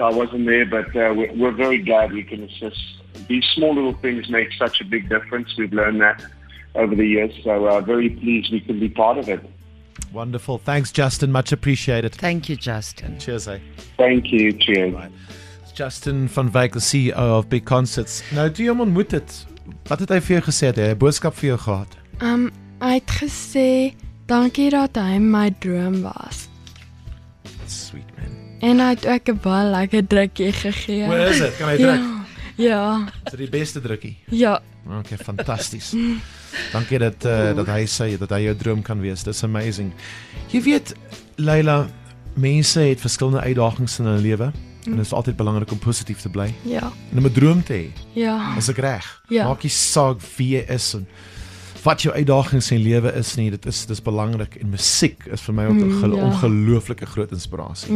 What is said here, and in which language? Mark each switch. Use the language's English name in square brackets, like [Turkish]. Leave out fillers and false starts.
[English] I wasn't there, but we're very glad we can assist. These small little things make such a big difference. We've learned that over the years, so very pleased we can be part of it. Wonderful. Thanks, Justin. Much appreciated. Thank you, Justin. Cheers, eh? Thank you. Cheers. Right. Justin van Wyk, the CEO of Big Concerts. Now, do you want to... [Afrikaans] Wat het hy vir jou gesê? Het hy 'n boodskap vir jou gehad? Hy het gesê, dankie dat hy my droom was. [English] Sweet man. [Afrikaans] En hy het ook 'n baie lekker drukkie gegee. Hoe is dit? Kan hy druk? Ja. Is dit die beste drukkie? Ja. Okay, fantasties. Dankie dat hy sê dat hy jou droom kan wees. Dis amazing. Jy weet, Layla, mense het verskillende uitdagings in hulle lewe. En het is altijd belangrijk om positief te bly. Ja. En om 'n droom te hê. Ja. As ek reg. Ja. Maak jy saak wie jy is en wat jou uitdagings in jou lewe is nie. Dit is belangrijk. En musiek is vir my ook een ongelooflike groot inspirasie.